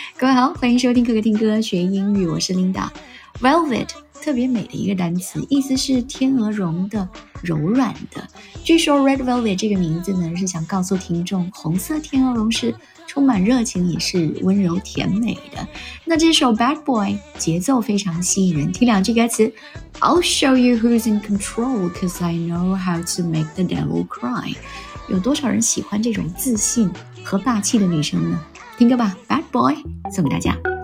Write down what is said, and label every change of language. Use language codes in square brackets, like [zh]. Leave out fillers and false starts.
[zh] 各位好，欢迎收听可可听歌学英语，我是 Linda。Velvet 特别美的一个单词，意思是天鹅绒的，柔软的。据说 Red Velvet 这个名字呢，是想告诉听众红色天鹅绒是充满热情也是温柔甜美的。那这首 Bad Boy 节奏非常吸引人，听两句歌词。 [en] I'll show you who's in control cause I know how to make the devil cry。 [zh] 有多少人喜欢这种自信和霸气的女生呢？听歌吧， Bad Boy 送给大家。